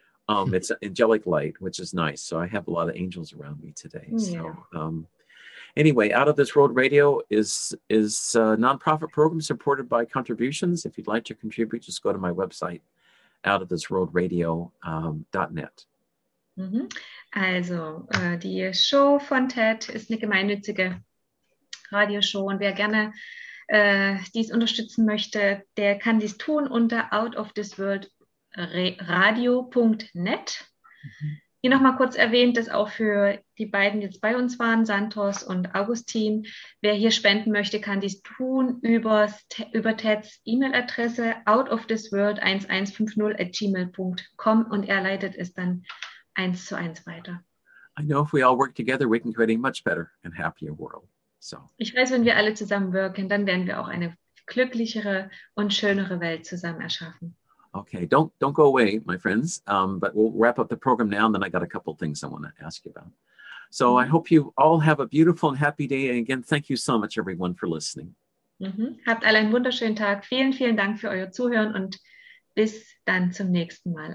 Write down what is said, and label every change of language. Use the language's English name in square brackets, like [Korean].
[English] It's angelic light, which is nice. So I have a lot of angels around me today. Yeah. So, Anyway, Out of This World Radio is a nonprofit program supported by contributions. If you'd like to contribute, just go to my website, outofthisworldradio.net. [German] Also, die Show von TED ist eine gemeinnützige Radioshow und wer gerne dies unterstützen möchte, der kann dies tun unter outofthisworldradio.net. Hier nochmal kurz erwähnt, dass auch für die beiden, die jetzt bei uns waren, Santos und Augustin, wer hier spenden möchte, kann dies tun über Teds E-Mail-Adresse outofthisworld1150@gmail.com und er leitet es dann 1:1 weiter. [English] I know if we all work together, we can create a much better and happier world. So. [German] Ich weiß, wenn wir alle zusammenwirken, dann werden wir auch eine glücklichere und schönere Welt zusammen erschaffen. [English] Okay, don't go away, my friends. But we'll wrap up the program now, and then I got a couple of things I want to ask you about. So I hope you all have a beautiful and happy day. And again, thank you so much, everyone, for listening. [German] Habt alle einen wunderschönen Tag. Vielen, vielen Dank für euer Zuhören und bis dann zum nächsten Mal.